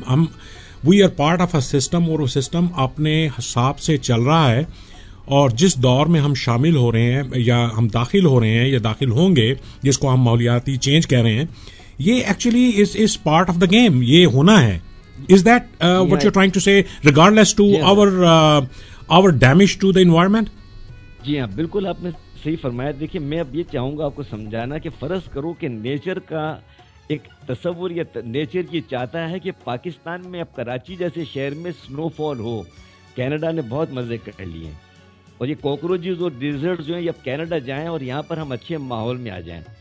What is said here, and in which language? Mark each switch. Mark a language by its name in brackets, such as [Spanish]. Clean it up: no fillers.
[Urdu] ہم [English] we are part of a system [Urdu] اور وہ سسٹم اپنے حساب سے چل رہا ہے اور جس دور میں ہم شامل ہو رہے ہیں یا ہم داخل ہو رہے ہیں یا داخل ہوں گے جس کو ہم ماحولیاتی چینج کہہ رہے ہیں, یہ [English] actually is part of the game, [Urdu] یہ ہونا ہے. [English] Is that what you are trying to say regardless to our damage to the environment? [Urdu] جی ہاں بالکل آپ نے صحیح فرمایا. دیکھیے میں اب یہ چاہوں گا آپ کو سمجھانا کہ فرض کرو کہ نیچر کا ایک تصور یا نیچر یہ چاہتا ہے کہ پاکستان میں اب کراچی جیسے شہر میں سنو فال ہو, کینیڈا نے بہت مزے کر لیے اور یہ کوکروچز اور ڈیزرٹس جو ہیں یہ اب کینیڈا جائیں اور یہاں پر ہم اچھے ماحول میں آ جائیں.